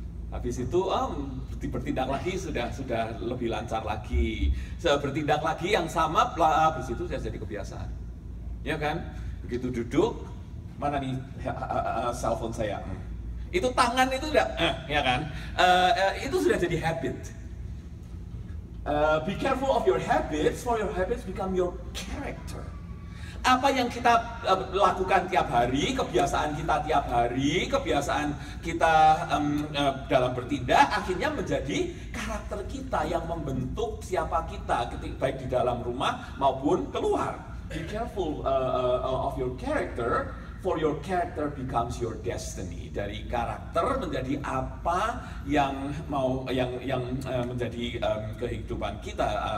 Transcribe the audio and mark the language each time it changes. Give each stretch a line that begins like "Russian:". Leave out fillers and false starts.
Indonesian: Habis itu, bertindak lagi sudah lebih lancar lagi. Bertindak lagi yang sama, habis itu sudah jadi kebiasaan. Ya kan? Begitu duduk, mana nih cell phone saya? Itu tangan itu sudah, ya kan? Itu sudah jadi habit.
English: Be careful of your habits, for your habits become your character.
Indonesian: Apa yang kita lakukan tiap hari, kebiasaan kita tiap hari, kebiasaan kita dalam bertindak, akhirnya menjadi karakter kita yang membentuk siapa kita, baik di dalam rumah maupun keluar.
English: Be careful of your character, for your character becomes your destiny.
Indonesian: Dari karakter menjadi apa yang mau menjadi kehidupan kita.